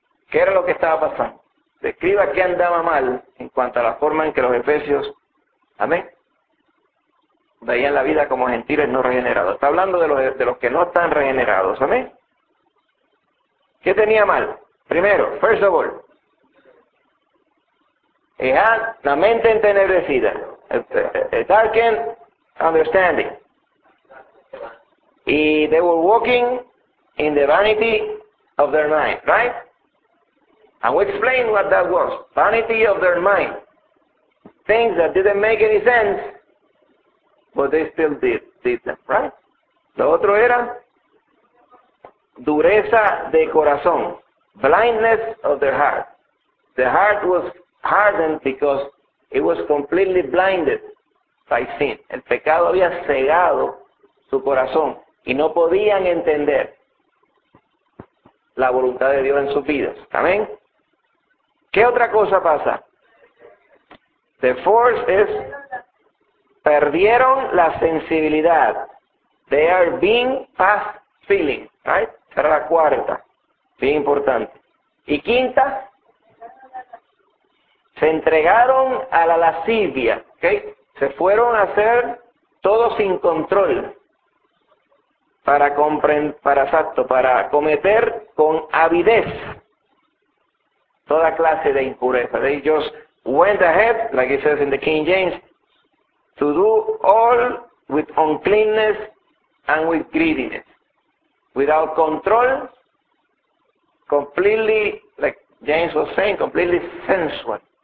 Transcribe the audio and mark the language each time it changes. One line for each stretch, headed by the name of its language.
Spanish: ¿Qué era lo que estaba pasando? Describa qué andaba mal en cuanto a la forma en que los efesios, amén, veían la vida como gentiles no regenerados. Está hablando de los que no están regenerados, amén. ¿Qué tenía mal? Primero,
English: first of all, he had
Spanish: la mente entenebrecida,
English: a darkened understanding. Y they were walking in the vanity of their mind, right? And we explained what that was. Vanity of their mind. Things that didn't make any sense, but they still did them, right?
Spanish: Lo otro era dureza de corazón,
English: blindness of their heart. The heart was hardened because it was completely blinded by sin.
Spanish: El pecado había cegado su corazón y no podían entender la voluntad de Dios en sus vidas. ¿Amén? ¿Qué otra cosa pasa?
English: The fourth is
Spanish: perdieron la sensibilidad.
English: They are being past feeling, right?
Spanish: Esa era la cuarta, bien importante. Y quinta, se entregaron a la lascivia, ¿okay? Se fueron a hacer todo sin control para cometer con avidez toda clase de impureza.
English: They just went ahead, like it says in the King James, to do all with uncleanness and with greediness. Without control, completely, like James was saying, completely sensual.